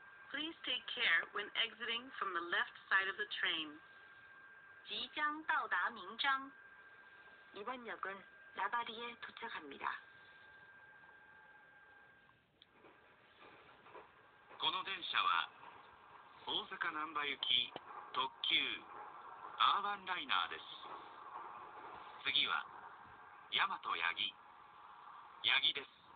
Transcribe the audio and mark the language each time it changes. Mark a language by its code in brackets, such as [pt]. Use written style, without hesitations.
[en] Please take care when exiting from the left side of the train. [zh] 即将到达名章。 [ko] 이번역은나바리에도착합니다。 [ja] この電車は大阪難波行き特急アーバンライナーです。次は大和八木。八木です。